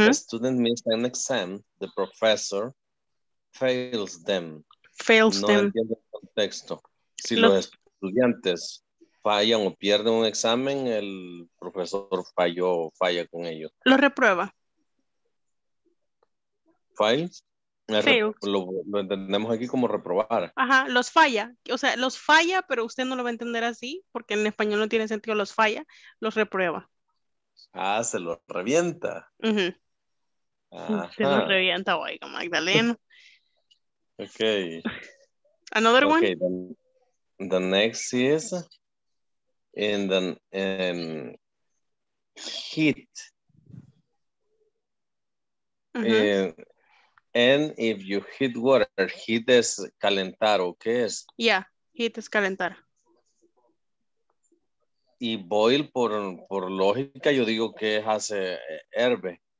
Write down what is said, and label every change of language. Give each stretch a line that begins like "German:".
English: If a student misses an exam, the professor fails them. Fails them.
Spanish: Si los estudiantes fallan o pierden un examen, el profesor falló o falla con ellos. Lo reprueba. Fails. Lo entendemos aquí como reprobar. Ajá, los falla. O sea, los falla, pero usted no lo va a entender así, porque en español no tiene sentido los falla. Los reprueba. Ah, se los revienta. Uh-huh. Se los revienta, oiga, Magdalena.
English: Okay. Another one? Okay, the next is in the heat. Mm-hmm. And if you heat water, heat is calentar, okay? Yeah, heat is calentar.
Spanish: Y boil, por lógica, yo digo que hace hervir.